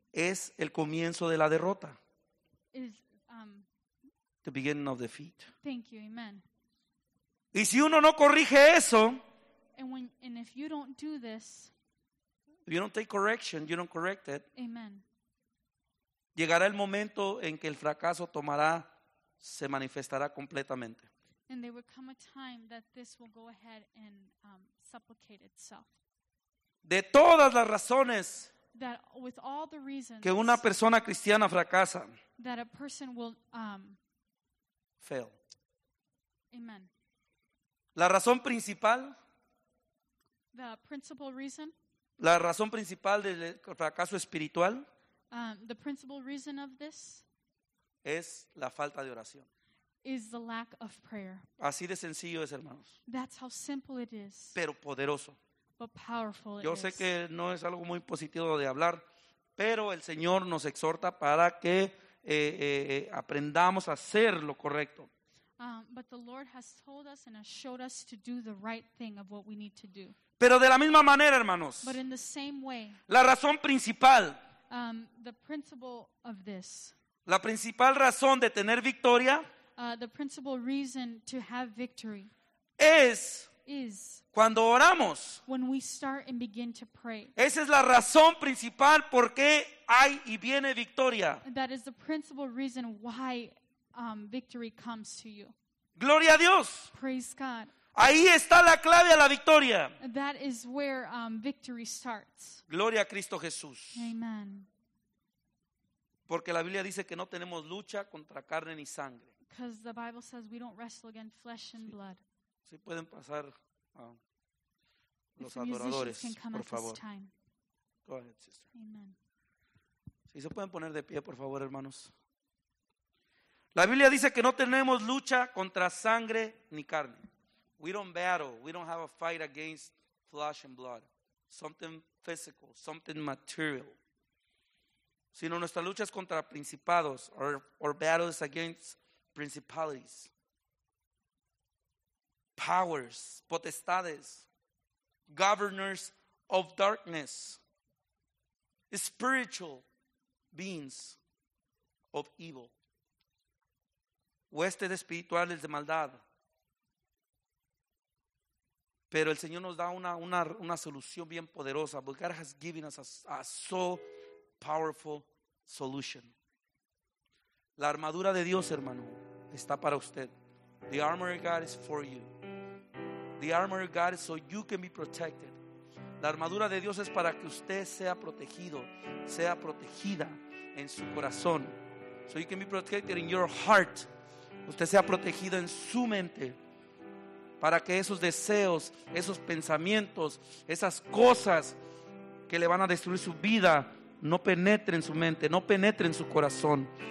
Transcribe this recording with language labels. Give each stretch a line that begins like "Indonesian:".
Spanish: Es el comienzo de la derrota.
English: Is the beginning of defeat. Thank you. Amen.
Spanish: Y si uno no corrige eso.
English: And if you don't do this. If you don't take correction, you don't correct it. Amen.
Spanish: Llegará el momento en que el fracaso tomará, se manifestará completamente.
English: And there would come a time that this will go ahead and supplicate itself.
Spanish: De todas las razones.
English: That with all the reasons. Que una persona cristiana fracasa. That a person will fail. Amen.
Spanish: La razón principal.
English: The principal reason.
Spanish: La razón principal del fracaso espiritual.
English: The principal reason of this.
Spanish: Es la falta de oración.
English: Is the lack of prayer.
Spanish: Así de sencillo es, hermanos.
English: That's how simple it is. Pero poderoso. But powerful it is.
Spanish: Yo sé que no es algo muy positivo de hablar, pero el Señor nos exhorta para que aprendamos a hacer lo correcto.
English: But the Lord has told us and has showed us to do the right thing of what we need to do.
Spanish: Pero de la misma manera, hermanos.
English: But in the same way.
Spanish: La razón principal.
English: The principle of this.
Spanish: La principal razón de tener victoria.
English: The principal reason to have victory
Spanish: es
English: is.
Spanish: Cuando oramos,
English: when we start and begin to pray,
Spanish: esa es la razón principal por qué hay y viene victoria.
English: That is the principal reason why victory comes to you.
Spanish: Gloria a Dios.
English: Praise God.
Spanish: Ahí está la clave a la victoria.
English: That is where victory starts.
Spanish: Gloria a Cristo Jesús.
English: Amen.
Spanish: Porque la Biblia dice que no tenemos lucha contra carne ni sangre.
English: Because the Bible says we don't wrestle against flesh and blood.
Spanish: Si pueden pasar los adoradores, por favor.
English: Go ahead, sister. Amen.
Spanish: Si se pueden poner de pie, por favor, hermanos. La Biblia dice que no tenemos lucha contra sangre ni carne.
English: We don't battle. We don't have a fight against flesh and blood. Something physical, something material.
Spanish: Sino nuestra lucha es contra principados,
English: or battles against principalities, powers,
Spanish: potestades,
English: governors of darkness, spiritual beings of evil,
Spanish: huestes espirituales de maldad. Pero el Señor nos da una solución bien poderosa.
English: But God has given us a so powerful solution.
Spanish: La armadura de Dios, hermano, está para usted.
English: The armor of God is for you. The armor of God is so you can be protected.
Spanish: La armadura de Dios es para que usted sea protegido, sea protegida en su corazón.
English: So you can be protected in your heart.
Spanish: Usted sea protegido en su mente. Para que esos deseos, esos pensamientos, esas cosas que le van a destruir su vida, no penetren su mente, no penetren su corazón.